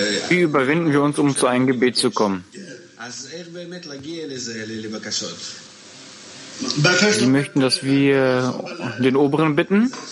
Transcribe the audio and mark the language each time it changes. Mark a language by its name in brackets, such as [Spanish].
[German] überwinden wir uns, um zu einem Gebet zu kommen. [Hebrew] אז איך באמת להגיע לזה, לבקשות? [German] Sie möchten, dass wir den Oberen bitten?